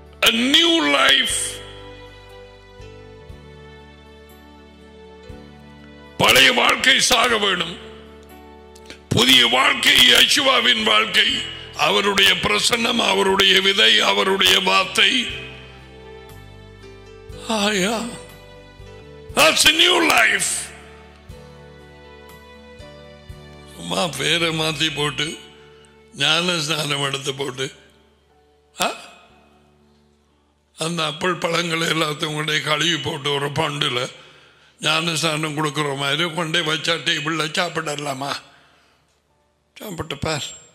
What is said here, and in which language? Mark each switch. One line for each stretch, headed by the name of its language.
English: A new life.
Tamil: பழைய வாழ்க்கை சாக வேண்டும். புதிய வாழ்க்கை யேசுவாவின் வாழ்க்கை. அவருடைய பிரசன்னம், அவருடைய விதை, அவருடைய வார்த்தை.
English: ஆயா, that's a new life.
Tamil: அம்மா பேரை மாத்தி போட்டு ஞான ஸ்நானம் எடுத்து போட்டு அந்த அப்பள் பழங்களை எல்லாத்தையும் கொண்டே கழுவி போட்டு ஒரு பண்டில் ஞான ஸ்நானம் கொடுக்குற மாதிரி கொண்டே வச்சா டேபிளில் சாப்பிடலாமா? சாப்பிட்டு பார்.